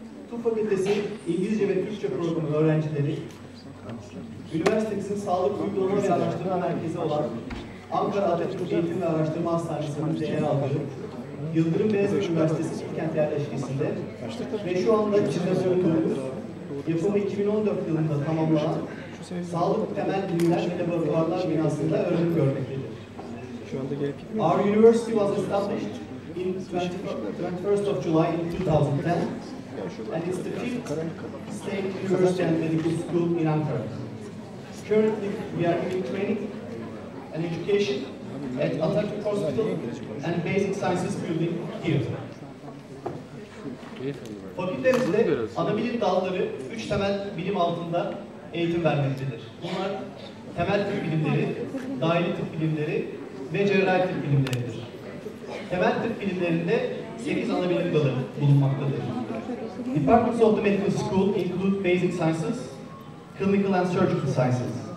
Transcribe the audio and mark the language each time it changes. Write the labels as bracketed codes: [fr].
[tr] Tıp Fakültesi İngilizce ve Türkçe programı öğrencileri, üniversitemizin sağlık uygulama ve araştırma merkezi olan Ankara Atatürk Eğitim ve Araştırma Hastanesi'nin değer aldığı Yıldırım Beyazıt Üniversitesi Çiftkent Yerleşkesi'nde ve şu anda içinde bulunduğumuz yapımı 2014 yılında tamamlanan Sağlık Temel Bilimler ve Laboratuvarlar binasında öğrenim görmektedir. [en] Our university was established in 21st of July in 2010. And it's the fifth state university and medical school in Ankara. Currently, we are giving training and education at Atatürk Hospital and Basic Sciences Building here. [tr] Fakültemizde anabilim dalları 3 temel bilim altında eğitim vermektedir. Bunlar temel tıp bilimleri, dahili tıp bilimleri ve cerrahi tıp bilimleridir. Temel tıp bilimlerinde 8 anabilim dalı bulunmaktadır. [en] Departments of the medical school include basic sciences, clinical and surgical sciences,